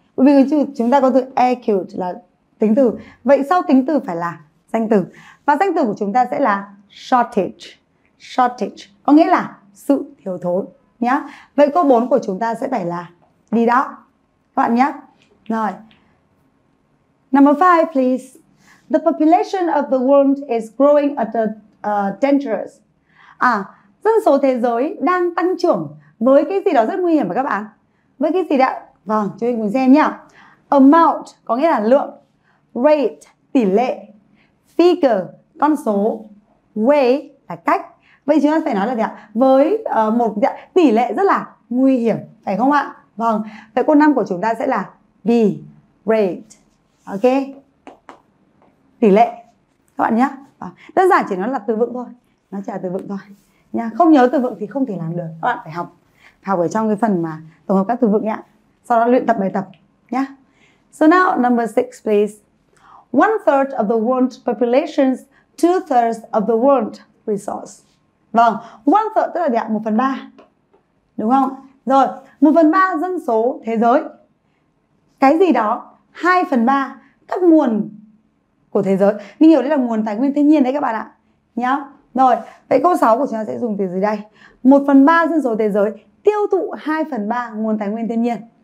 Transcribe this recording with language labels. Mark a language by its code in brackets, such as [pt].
[vi] Bởi vì chúng ta có từ acute là tính từ. Vậy sau tính từ phải là danh từ. Và danh từ của chúng ta sẽ là shortage. Shortage có nghĩa là sự thiếu thốn nhá. Vậy câu 4 của chúng ta sẽ phải là đi đó các bạn nhé. [en] Rồi, number 5 please. The population of the world is growing at a dangerous. [vi] Dân số thế giới đang tăng trưởng với cái gì đó rất nguy hiểm mà các bạn. Với cái gì đó? Vâng, chúng mình cùng xem nhá. Amount có nghĩa là lượng. Rate tỷ lệ. Figure con số. Way là cách. Vậy chúng ta phải nói là gì ạ? Với một tỷ lệ rất là nguy hiểm, phải không ạ? Vâng. Vậy câu 5 của chúng ta sẽ là B. Rate. Ok, tỷ lệ các bạn nhé. Đơn giản chỉ nói là từ vựng thôi, nó chỉ là từ vựng thôi nha. Không nhớ từ vựng thì không thể làm được, các bạn phải học ở trong cái phần mà tổng hợp các từ vựng nhá, sau đó luyện tập bài tập nhá. [en] So now number 6 please. 1/3 of the world population, 2/3 of the world resource. [vi] Vâng, 1/3 tức là gì ạ? 1/3 đúng không? Rồi, 1/3 dân số thế giới, cái gì đó, 2/3 các nguồn của thế giới. Mình hiểu đây là nguồn tài nguyên thiên nhiên đấy các bạn ạ. Nhá. Rồi, vậy câu 6 của chúng ta sẽ dùng từ gì đây? 1/3 dân số thế giới tiêu thụ 2/3 nguồn tài nguyên thiên nhiên.